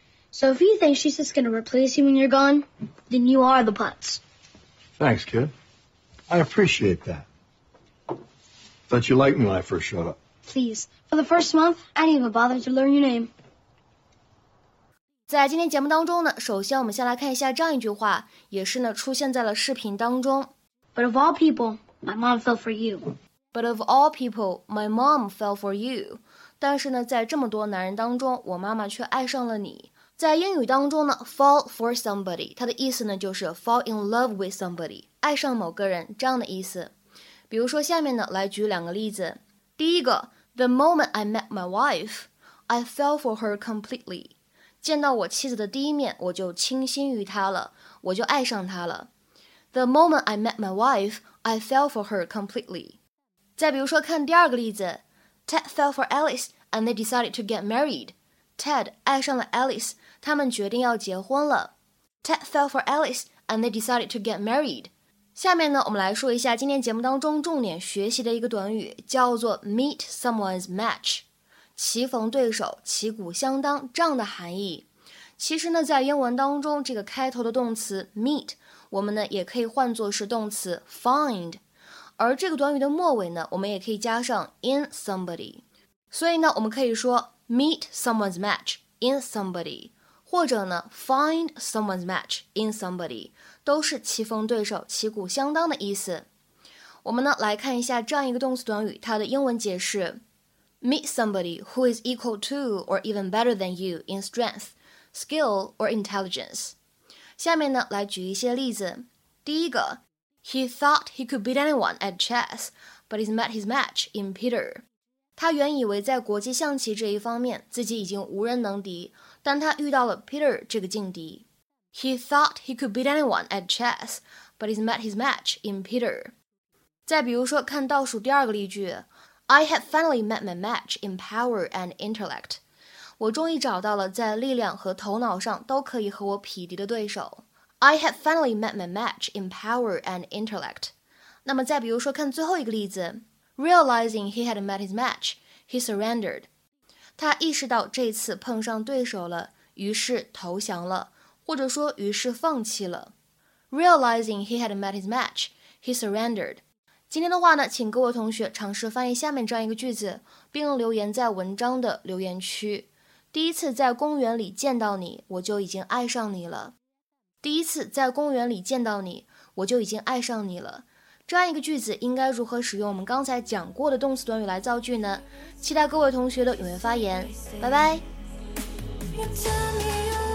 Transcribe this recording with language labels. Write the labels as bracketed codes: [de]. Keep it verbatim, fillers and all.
[en] So if you think she's just going to replace you when you're gone, then you are the putz. Thanks, kid. I appreciate that. Thought you liked me when I first showed up. Please. For the first month, I didn't even bother to learn your name. [zh] 在今天节目当中呢，首先我们先来看一下这样一句话，也是呢出现在了视频当中。 [en] But of all people, my mom fell for you. But of all people, my mom fell for you. [zh] 但是呢，在这么多男人当中，我妈妈却爱上了你。在英语当中呢 ， [en] fall for somebody， [zh] 它的意思呢就是 [en] fall in love with somebody， [zh] 爱上某个人这样的意思。比如说下面呢，来举两个例子。第一个 [en] ，The moment I met my wife, I fell for her completely. [zh] 见到我妻子的第一面，我就倾心于她了，我就爱上她了。 [en] The moment I met my wife, I fell for her completely. [zh] 再比如说，看第二个例子 [en] ，Ted fell for Alice, and they decided to get married. [zh] Ted 爱上了 Alice， 他们决定要结婚了。 [en] Ted fell for Alice, and they decided to get married. [zh] 下面呢，我们来说一下今天节目当中重点学习的一个短语，叫做 [en] meet someone's match。 [zh] 棋逢对手，旗鼓相当，这样的含义。其实呢，在英文当中，这个开头的动词 meet， 我们呢也可以换作是动词 find， 而这个短语的末尾呢，我们也可以加上 [en] in somebody。 [zh] 所以呢，我们可以说 [en] meet someone's match in somebody， [zh] 或者呢 [en] find someone's match in somebody， [zh] 都是棋逢对手，旗鼓相当的意思。我们呢来看一下这样一个动词短语，它的英文解释。 [en] Meet somebody who is equal to or even better than you in strength, skill, or intelligence. [zh] 下面呢，来举一些例子。第一个 [en] ，He thought he could beat anyone at chess, but he met his match in Peter. [zh] 他原以为在国际象棋这一方面自己已经无人能敌，但他遇到了 Peter 这个劲敌。 [en] He thought he could beat anyone at chess, but he met his match in Peter. [zh] 再比如说，看倒数第二个例句 [en] ，I had finally met my match in power and intellect. [zh] 我终于找到了在力量和头脑上都可以和我匹敌的对手。 [en] I had finally met my match in power and intellect. [zh] 那么再比如说看最后一个例子 [en] ，Realizing he had met his match, he surrendered. [zh] 他意识到这次碰上对手了，于是投降了，或者说于是放弃了。 [en] Realizing he had met his match, he surrendered. [zh] 今天的话呢，请各位同学尝试翻译下面这样一个句子，并留言在文章的留言区。第一次在公园里见到你，我就已经爱上你了。第一次在公园里见到你，我就已经爱上你了。这样一个句子应该如何使用我们刚才讲过的动词短语来造句呢？期待各位同学的踊跃发言，拜拜。